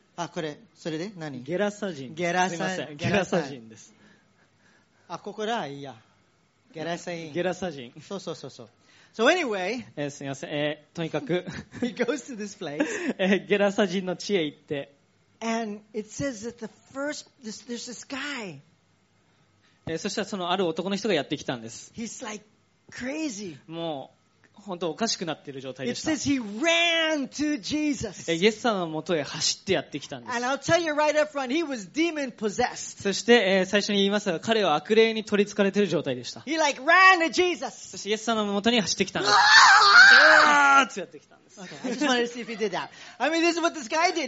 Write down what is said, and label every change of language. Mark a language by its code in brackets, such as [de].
[ja] あ、これ。それで何？ゲラサ人。ゲラサ人。ゲラサ人です。あ、ここだ、いいや。ゲラサ人。そうそうそうそう。 [en] So anyway, [ja] すみません。とにかく [en] 、He goes to this place. [ja] ゲラサ人の地へ行って。 [en] And it says that the first, there's this guy. [ja] そしたらそのある男の人がやってきたんです。 [en] He's like crazy. [ja] もう本当おかしくなっている状態でした。 [en] It says he ran to Jesus. [ja] イエス様の元へ走ってやってきたんです。 [en] And I'll tell you right up front, he was demon possessed. [ja] そして、最初に言いますが、彼は悪霊に取り憑かれている状態でした。 [en] He like ran to Jesus. [ja] そしてイエス様の元に走ってきたんですうわーってやってきたんです。 [en] Okay, I just wanted to see if he did that. I mean, this is what this guy did.